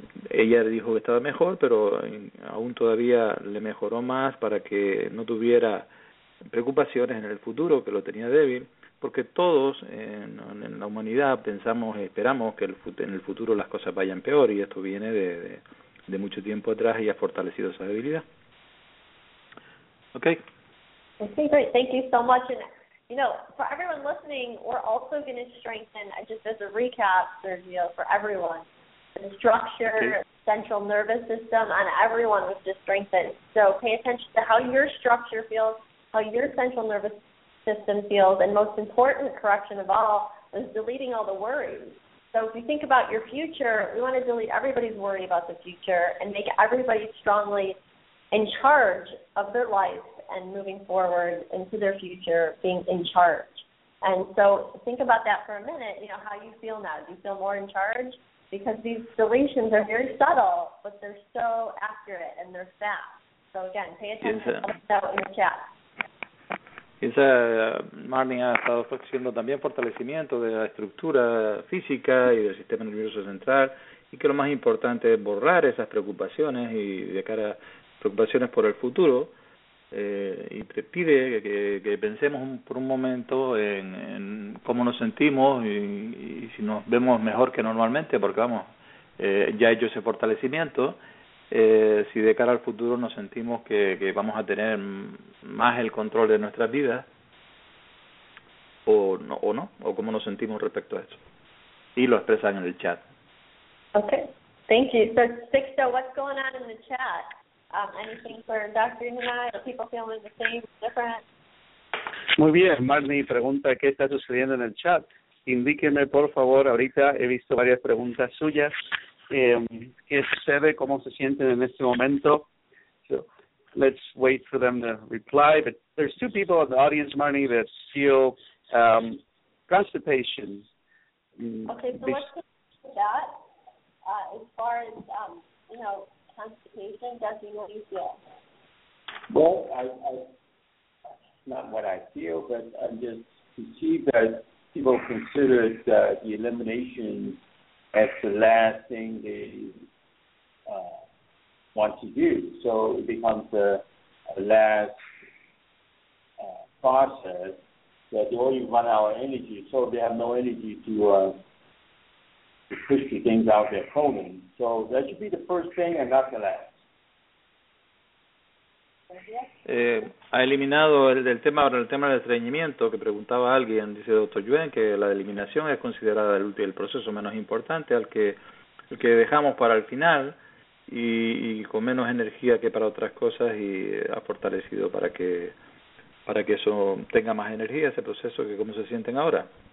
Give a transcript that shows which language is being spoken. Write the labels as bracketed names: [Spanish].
[Spanish] Ella le dijo que estaba mejor, pero aún todavía le mejoró más para que no tuviera preocupaciones en el futuro, que lo tenía débil, porque todos en la humanidad pensamos y esperamos que en el futuro las cosas vayan peor, y esto viene de mucho tiempo atrás y ha fortalecido esa debilidad. [English] Okay. Okay, great. Thank you so much. And, you know, for everyone listening, we're also going to strengthen, just as a recap, Sergio, for everyone, the structure, okay, central nervous system, and everyone was just strengthened. So pay attention to how your structure feels, how your central nervous system feels, and most important correction of all is deleting all the worries. So if you think about your future, we want to delete everybody's worry about the future and make everybody strongly in charge of their life and moving forward into their future, being in charge. And so think about that for a minute, you know, how you feel now. Do you feel more in charge? Because these deletions are very subtle, but they're so accurate and they're fast. So again, pay attention to that in the chat. [Spanish] Esa Marnie ha estado haciendo también fortalecimiento de la estructura física y del sistema nervioso central, y que lo más importante es borrar esas preocupaciones y de cara a preocupaciones por el futuro, y pide que pensemos por un momento en cómo nos sentimos y si nos vemos mejor que normalmente, porque vamos, ya ha hecho ese fortalecimiento. Si de cara al futuro nos sentimos que vamos a tener más el control de nuestras vidas o no, o cómo nos sentimos respecto a eso, y lo expresan en el chat. [English] Okay, thank you. So Sixto, what's going on in the chat? Anything for Dr. Inanai? Are people feeling the same, different? [Spanish] Muy bien, Marnie pregunta qué está sucediendo en el chat. Indíqueme por favor, ahorita he visto varias preguntas suyas. ¿Qué sucede? ¿Cómo se sienten en este momento? [English] So, let's wait for them to reply. But there's two people in the audience, Marnie, that feel constipation. Okay, so let's get to that. As far as, constipation, Dr. what do you feel? Well, not what I feel, but I just perceive that people consider the elimination as the last thing they want to do. So it becomes a last process that they only run out of energy, so they have no energy to push the things out their colon. So that should be the first thing and not the last. [Spanish] Ha eliminado el tema del estreñimiento que preguntaba alguien, dice doctor Yuen, que la eliminación es considerada el proceso menos importante, el que dejamos para el final y con menos energía que para otras cosas, y ha fortalecido para que eso tenga más energía, ese proceso, que cómo se sienten ahora.